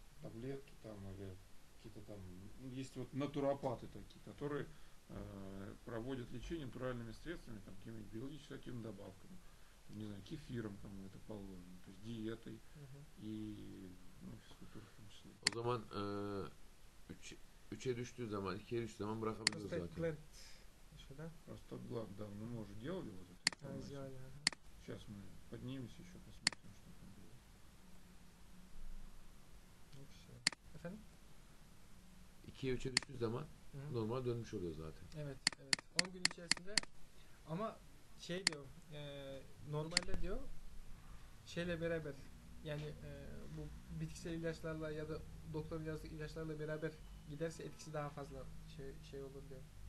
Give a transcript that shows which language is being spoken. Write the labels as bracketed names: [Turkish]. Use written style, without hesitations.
[Russian] Таблетки там или какие-то там. Есть вот натуропаты такие, которые проводят лечение натуральными средствами, там, какими-нибудь биологическими какими-то добавками. Там, не знаю, кефиром, кому это положено, то есть диетой и, ну, физкультурой в том числе. [Turkish] О заман, Üçe düştüğü zaman, ikiye düştüğü zaman bırakabiliriz zaten. Prostat [Russian] gland. Еще, да? Prostat gland, да. Ну, мы уже делали вот это. А, сделали, ага. Сейчас мы поднимемся еще, посмотрим, что там было. Ну, все. [Turkish] Efendim? İkiye, üçe düştüğü zaman normal dönmüş oluyor zaten. Evet, evet. 10 gün içerisinde. Ama şey diyor, normalde diyor, şeyle beraber, yani bu bitkisel ilaçlarla ya da doktor yazdığı ilaçlarla beraber giderse etkisi daha fazla şey olur diyor.